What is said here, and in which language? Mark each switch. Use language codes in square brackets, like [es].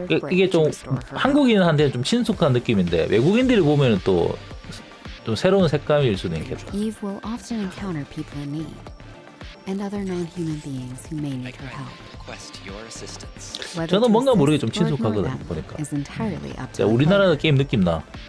[ko] 이게 좀 한국인한테 좀 친숙한 느낌인데 외국인들이 보면 또 좀 새로운 색감일 수도 있겠다. [en] And other non-human beings who may need her help. Request your assistance. [ko] 저는 뭔가 모르게 좀 친숙하거든 보니까. 야, 우리나라 게임 느낌 나.